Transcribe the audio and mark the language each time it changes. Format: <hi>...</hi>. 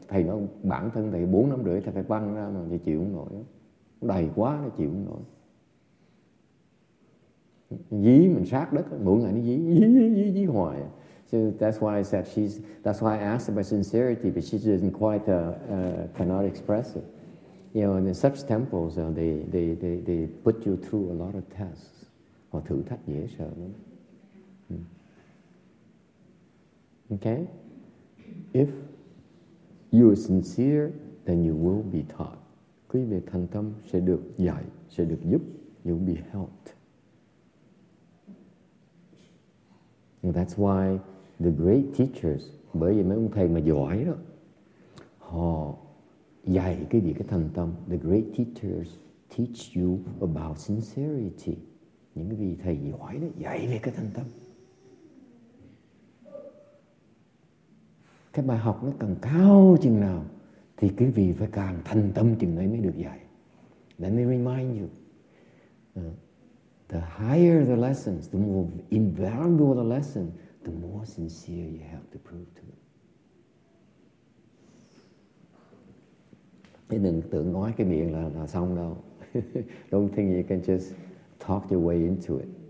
<vi>Thầy nó bản thân thầy 4:30 thầy phải băng ra mà thì chịu không nổi, nó đầy quá nó chịu không nổi, dí mình sát đất mỗi ngày, nó dí hoài.</vi> <en>So that's why I said that's why I asked about sincerity, but she doesn't quite cannot express it. You know, in such temples they put you through a lot of tests.</en> <vi>Họ thử thách dễ sợ lắm.</vi> <en>Okay? If you are sincere, then you will be taught.</en> <vi>Quý vị thành tâm sẽ được dạy, sẽ được giúp,</vi> <en>you will be helped. And that's why the great teachers,</en> <vi>bởi vì mấy ông thầy mà giỏi đó, họ dạy cái gì cái thành tâm.</vi> <en>The great teachers teach you about sincerity.</en> <vi>Những cái vị thầy giỏi đó dạy về cái thành tâm. Cái bài học nó cần cao chừng nào thì quý vị phải càng thành tâm chừng ấy mới được dạy.</vi> <en>Let me remind you, the higher the lessons, the more invaluable the lesson, the more sincere you have to prove to them.</en> <vi>Thế đừng tưởng nói cái miệng là xong đâu.</vi> <en>Don't think you can just talk your way into it.</en>